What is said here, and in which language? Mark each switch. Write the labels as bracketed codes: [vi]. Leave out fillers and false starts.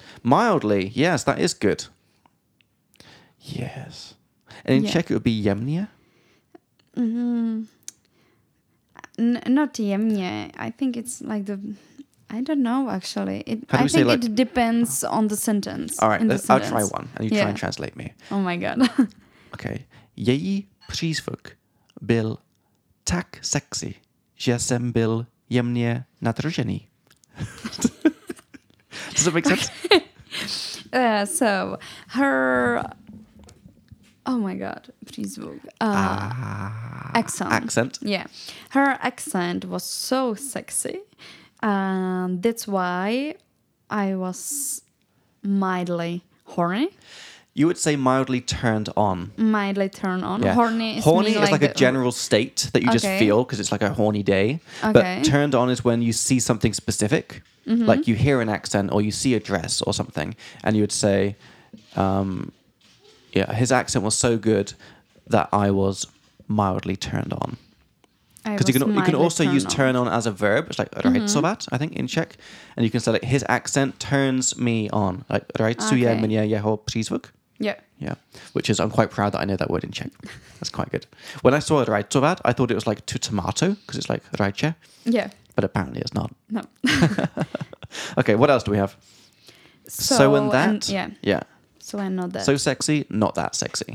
[en] Mildly, yes, that is good. Yes. And in Czech, it would be jemnie? Not jemnie. I think it's I don't know, actually. It depends on the sentence. All right, I'll try one, and you try and translate me. Oh, my God. Okay. [cs] Jej přízvuk byl tak sexy, že jsem byl jemnie nadržený. [en] Does that make sense? Okay. So, her... Oh my God, přízvuk. Accent. Accent. Yeah. Her accent was so sexy. That's why I was mildly horny. You would say mildly turned on. Mildly turned on. Yeah. Horny is like a general state that you just feel because it's like a horny day. Okay. But turned on is when you see something specific. Mm-hmm. Like you hear an accent or you see a dress or something. And you would say... Yeah, his accent was so good that I was mildly turned on. Because you can also use turn on as a verb. It's like rajsovat, I think, in Czech. And you can say, like, his accent turns me on. [cs] Like, rajsuje mnie jeho přízvuk. [en] Yeah. Yeah. Which is, I'm quite proud that I know that word in Czech. That's quite good. When I saw rajsovat, I thought it was like to tomato, because it's like rajče. Yeah. But apparently it's not. No. Okay, what else do we have? So and that. Yeah. Yeah. So and not that. So sexy, not that sexy.